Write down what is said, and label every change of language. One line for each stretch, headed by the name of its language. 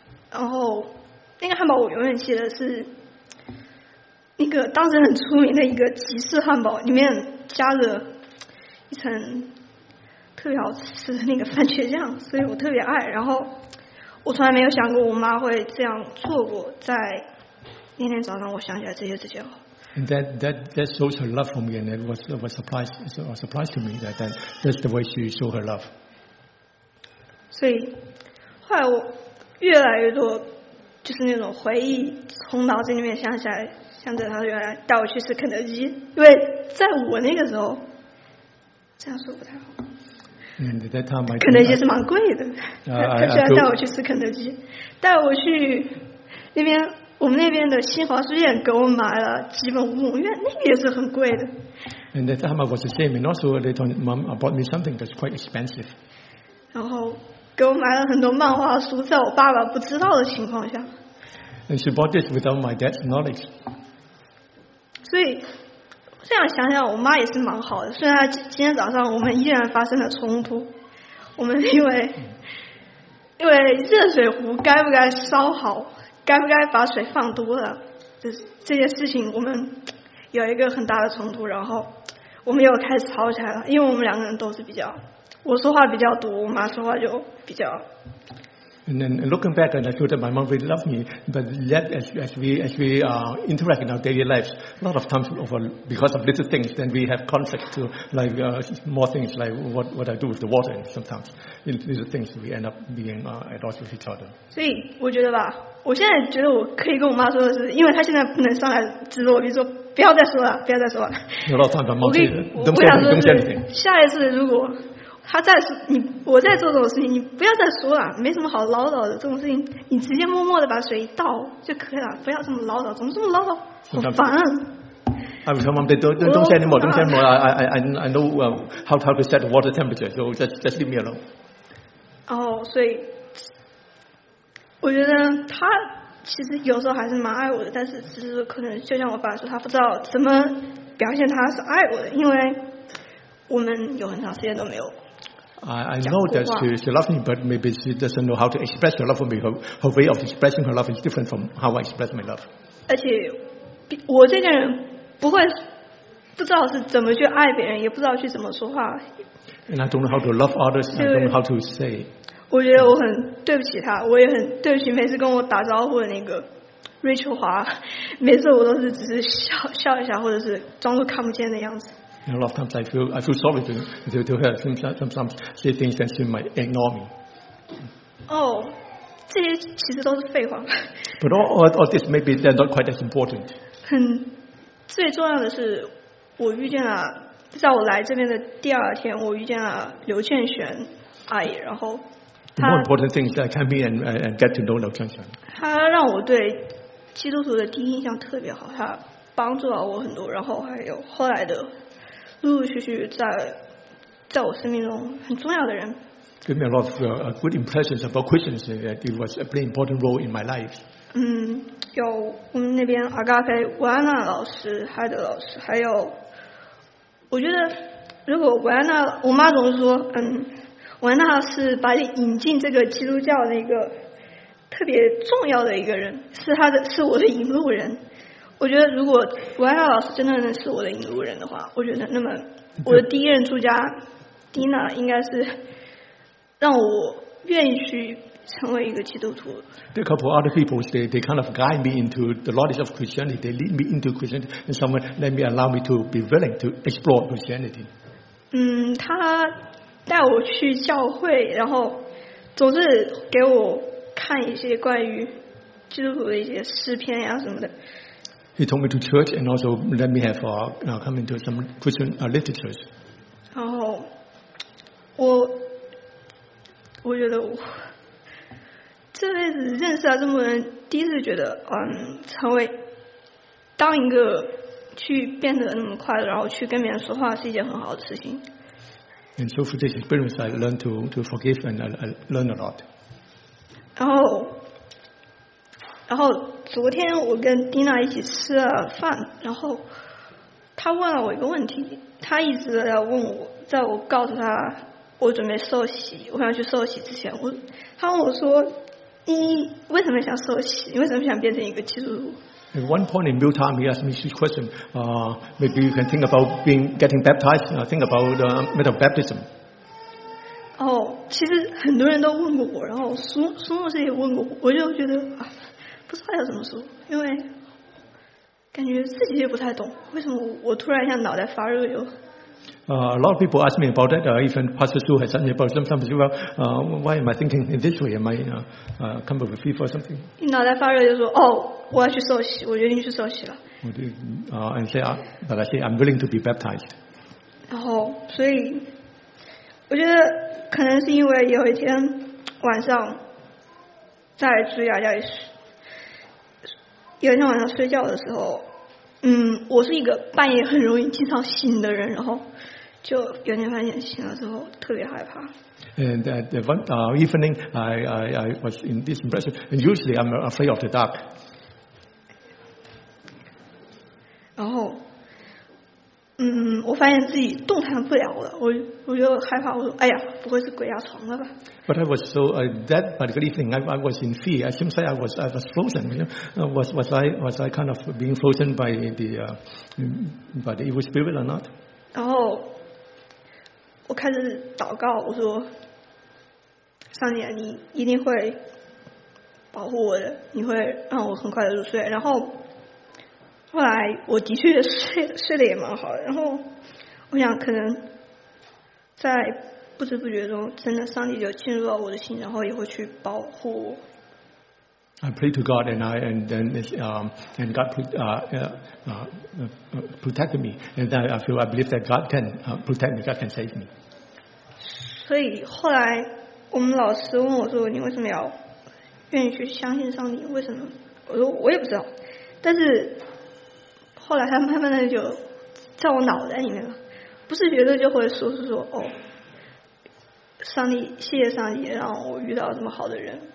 Chinese: 然后那个汉堡我永远记得是那个当时很出名的一个吉士汉堡，里面加了一层特别好吃的那个番茄酱，所以我特别爱。然后。我从来没有想过我妈会这样做过，在那天早上我想起来这些事情。
English: And that shows her love for me, and it was a surprise to me that's the way she showed her love.
Chinese: 所以后来我越来越多就是那种回忆从脑子里面想起来，想着她原来带我去吃肯德基，因为在我那个时候这样说不太好。
English: And at that time, I
Chinese: 肯德基是蛮贵的，他居然带我去吃肯德基，带我去那边我们那边的新华书店给我买了几本武功院，那个也是很贵的。
English: And at that time, I was the same. And also, later, mom bought me something that's quite expensive.
Chinese: 然后给我买了很多漫画书，在我爸爸不知道的情况下。
English: And she bought this without my dad's knowledge.
Chinese: 所以。这样想想，我妈也是蛮好的。虽然今天早上我们依然发生了冲突，我们因为热水壶该不该烧好，该不该把水放多了，这些事情我们有一个很大的冲突，然后我们又开始吵起来了。因为我们两个人都是比较，我说话比较多，我妈说话就比较。
English: And then looking back, and I feel that my mom really loved me. But yet, as we interact in our daily lives, a lot of times, because of little things, then we have conflict to like more things, like what I do with the water. Sometimes, little things we end up being at odds with each other.
Chinese: 所以我觉得吧，我现在觉得我可以跟我妈说的是，因为她现在不能上来指着我鼻说，不要再说了，不要再说了。我可以，我想说是，下一次如果。他再说你，我再做这种事情，你不要再说了，没什么好唠叨的。这种事情，你直接默默的把水倒就可以了，不要这么唠叨，怎么这么唠叨，好烦
English: 啊！ I will tell mom that don't say anymore, don't say anymore. I know how to set the water temperature, so just leave me alone.
Chinese: 哦，所以我觉得他其实有时候还是蛮爱我的，但是只是可能就像我爸说，他不知道怎么表现他是爱我的，因为我们有很长时间都没有。
English: I know that she loves me, but maybe she doesn't know how to express her love for me. Her way of expressing her love is different from how I express my love.
Chinese: 而且，我这个人不会不知道是怎么去爱别人，也不知道去怎么说话。
English: And I don't know how to love others. I don't know how to say.
Chinese: 我觉得我很对不起他，我也很对不起每次跟我打招呼的那个 Rachel 华。每次我都是只是笑一下，或者是装作看不见的样子。
English: And a lot of times I feel sorry to her. Sometimes say things that she might ignore me.
Chinese: Oh, 这些其实都是废话。
English: But all this maybe they're not quite as important.
Chinese: 最重要的是，我遇见了，在我来这边的第二天，我遇见了刘倩璇阿姨，然后她。
English: More important thing is I come here and get to know 刘倩璇。
Chinese: 她让我对基督徒的第一印象特别好，她帮助了我很多，然后还有后来的。陆陆续续在我生命中很重要的人。
English: Give me a lot of good impressions about Christians. It was a very important role in my life.
Chinese: 有我们那边阿嘎菲、维安娜老师、海德老师，还有我觉得如果维安娜，我妈总是说，维安娜是把你引进这个基督教的一个特别重要的一个人，是我的引路人。我觉得如果吴安娜老师真的能是我的引路人的话，我觉得那么我的第一任住家 Dina 应该是让我愿意去成为一个基督徒。
English: The couple of other people, they kind of guide me into the knowledge of Christianity. They lead me into Christianity, and someone let me allow me to be willing to explore Christianity.
Chinese: 他带我去教会，然后总是给我看一些关于基督徒的一些诗篇呀什么的。
English: He told me to church and also let me have come into some Christian literatures.
Chinese: 然后我觉得我这辈子认识了这么多人，第一次觉得成为当一个去变得那么快，然后去跟别人说话是一件很好的事情。
English: And so for this experience, I learned to forgive and I learned a lot.
Chinese: 然后昨天我跟 Dina 一起吃了饭，然后他问了我一个问题，他一直在问我，在我告诉他我准备受洗，我想去受洗之前，他问我说，你为什么想受洗？你为什么想变成一个基督徒？
English: At one point in real time, he asked me this question. Maybe you can think about getting baptized. Think about the method of baptism.
Chinese: 其实很多人都问过我，然后苏牧师也问过我，我就觉得不知道要怎么说，因为感觉自己也不太懂，为什么我突然一下脑袋发热又。
English: A lot of people ask me about that. Even Pastor Su has asked me about sometimes as well. Why am I thinking in this way? Am I come up with fever or something?
Chinese: 你脑袋发热就说哦，我要去受洗，我决定去受洗了。
English: 我I say I'm willing to be baptized.
Chinese: 然后，所以我觉得可能是因为有一天晚上在主雅教室。有一天晚上睡觉的时候，我是一个半夜很容易经常醒的人，然后就有一天半夜醒了之后特别害怕。
English: And that one evening, I was in this impression. And usually, I'm afraid of the dark.
Chinese: 然后，我发现自己动弹不了了，我就害怕，我说，哎呀，不会是鬼压床了吧？
English: But I was so that particular evening, I was in fear. I seems like I was frozen. You know? Was I kind of being frozen by the evil spirit or not?
Chinese: 然后我开始祷告，我说，上帝，你一定会保护我的，你会让我很快的入睡。然后后来我的确睡得也蛮好的，然后我想可能在不知不觉中真的上帝就进入到我的心，然后也会去保护我。
English: I prayed to God and God protected me, and then I believe that God can protect me, God can save me.
Chinese: 所以后来我们老师问我说：“你为什么要愿意去相信上帝？为什么？” 我说：“我也不知道。” 但是后来他慢慢的就在我脑袋里面了，不是觉得就会说哦，上帝，谢谢上帝让我遇到这么好的人。